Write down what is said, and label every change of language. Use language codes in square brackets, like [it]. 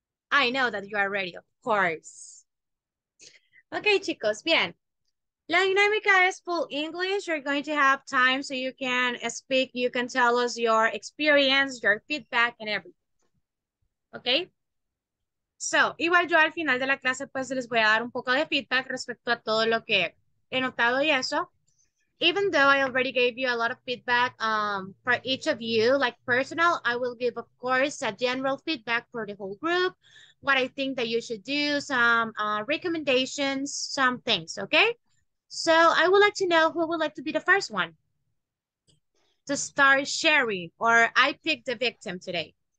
[en] I know that you are ready, of course. Okay, [es] chicos, bien. La dinámica es full English. [en] You're going to have time so you can speak. You can tell us your experience, your feedback, and everything. Okay? [es] So, igual yo al final de la clase, pues, les voy a dar un poco de feedback respecto a todo lo que he notado y eso. [en] Even though I already gave you a lot of feedback for each of you, like personal, I will give, of course, a general feedback for the whole group, what I think that you should do, some recommendations, some things, okay? So I would like to know who would like to be the first one to start sharing, or I pick the victim today.